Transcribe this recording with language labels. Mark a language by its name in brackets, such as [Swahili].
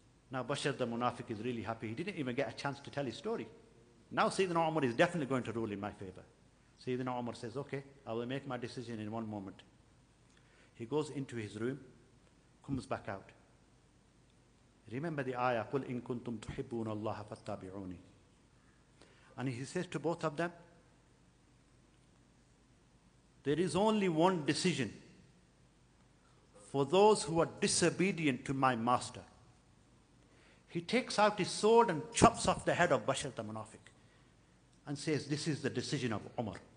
[English] Now Bashar the Munafiq is really happy. He didn't even get a chance to tell his story. Now Sayyidina Umar is definitely going to rule in my favor. Sayyidina Umar says, okay, I will make my decision in one moment. He goes into his room, comes back out. Remember the ayah, [Arabic] قُلْ إِن كُنْتُمْ تُحِبُّونَ اللَّهَ فَاتَّابِعُونِ. [English] And he says to both of them, there is only one decision for those who are disobedient to my master. He takes out his sword and chops off the head of Bashar the Munafiq and says, this is the decision of Umar.